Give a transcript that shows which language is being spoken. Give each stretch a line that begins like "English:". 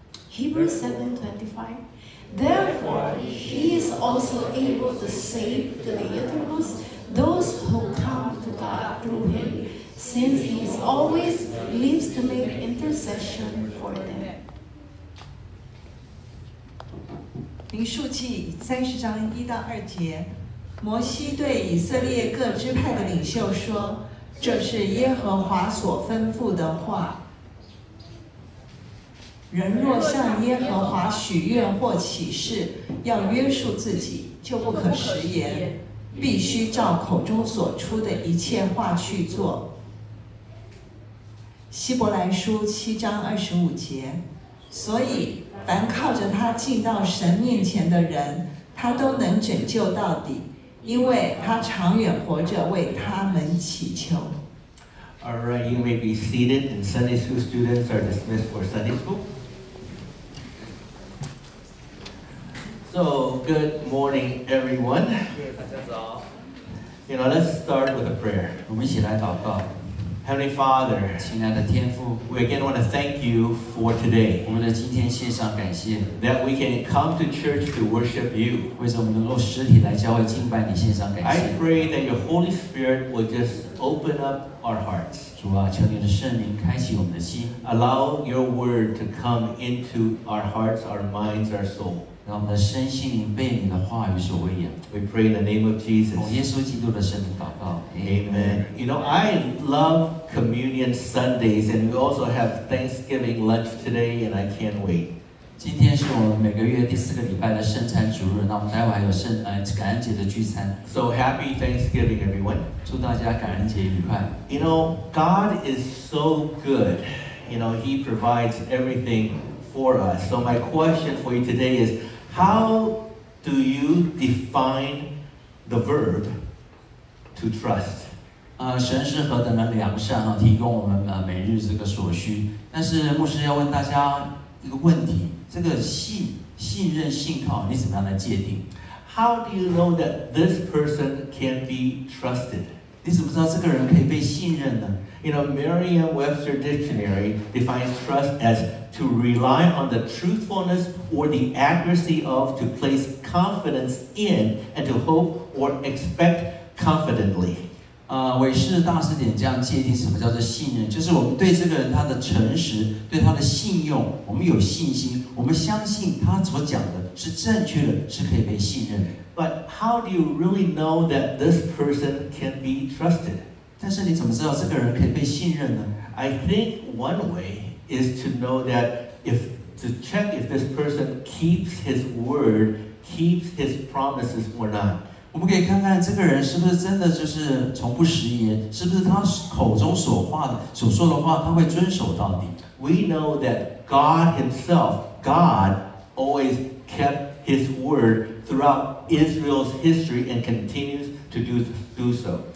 English: Hebrews 7:25. Therefore, he is also able to save to the uttermost. Those who come to God through him, since he is always lives to make intercession for them.
Chinese: 民数记三十章一到二节，摩西对以色列各支派的领袖说：“这是耶和华所吩咐的话。人若向耶和华许愿或起誓，要约束自己，就不可食言。” 必须照口中所出的一切话去做。希伯来书7:25，所以凡靠着他进到神面前的人，他都能拯救到底，因为他长远活着为他们祈求。
English: All right, you may be seated, and Sunday school students are dismissed for Sunday school. So, good morning, everyone. You know, let's start with a prayer.
Chinese: 我们一起来祷告。
English: Heavenly Father,
Chinese: 亲爱的天父
English: we again want to thank you for today.
Chinese: 我们的今天献上感谢
English: that we can come to church to worship you.
Chinese: 为什么能够实体来教会敬拜你献上感谢
English: I pray that your Holy Spirit will just open up our hearts.
Chinese: 主啊，求你的圣灵开启我们的心
English: Allow your word to come into our hearts, our minds, our soul.
Chinese: 让我们的身心灵被你的话语所喂养
English: We pray in the name of Jesus. 从耶稣基督的圣灵祷告 Amen. You know, I love Communion Sundays, and we also have Thanksgiving lunch today, and I can't wait.
Chinese: 今天是我们每个月第四个礼拜的圣餐主日，那我们待会还有感恩节的聚餐。
English: So happy Thanksgiving, everyone.
Chinese: 祝大家感恩节愉快。
English: You know, God is so good. You know, He provides everything for us. So my question for you today is, how do you define the verb? To trust.
Chinese: 神是何等的良善啊，提供我们每日这个所需。但是牧师要问大家一个问题：这个信任、信靠，你怎么样来界定
English: ？How do you know that this person can be trusted?
Chinese: 你怎么知道这个人可以被信任呢
English: ？You know, Merriam-Webster Dictionary defines trust as to rely on the truthfulness or the accuracy of, to place confidence in, and to hope or expect. Confidently,
Chinese: 韦氏大师典这样界定什么叫做信任，就是我们对这个人他的诚实，对他的信用，我们有信心，我们相信他所讲的是正确的，是可以被信任的。
English: But how do you really know that this person can be trusted?
Chinese: 但是你怎么知道这个人可以被信任呢
English: ？I think one way is to know that if to check if this person keeps his word, keeps his promises or not.
Chinese: 我们可以看看这个人是不是真的就是从不食言，是不是他口中所话的所说的话，他会遵守到底。
English: We know that God Himself, God always kept His word throughout Israel's history and continues to do so.